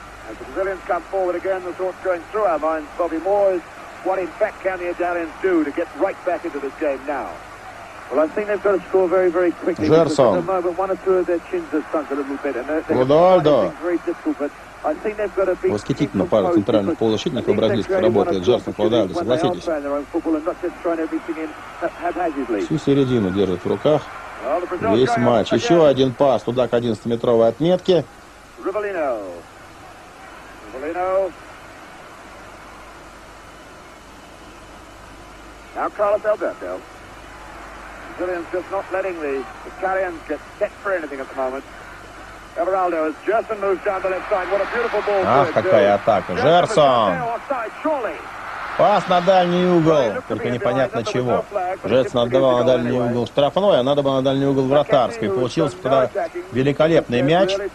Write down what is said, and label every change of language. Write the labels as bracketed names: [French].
[English] As the Brazilians come forward again, the thought going through our minds, Bobby Moore, is what in fact can the Italians do to get right back into this game now? Well, I think they've got to score very, very quickly. Gerson. At the moment, one or two of their chins have sunk a little bit. Rodaldo. [Russian] Восхитительно пара центральных полузащитников у бразильцев работает. Джерсон, Рудальдо, согласитесь. Всю середину держит в руках. Весь матч. Еще один пас туда к 11-метровой отметке. [English] Rivellino. Now Carlos Alberto. Brazilians just not letting the Italians get set for anything at the moment. Everaldo has just been moved down the left side. What a beautiful ball. Ah, [Russian] какая атака. Gerson. Пас на дальний угол, только непонятно чего. Жец отдавал на дальний угол штрафной, а надо было на дальний угол вратарской. Получился тогда великолепный мяч.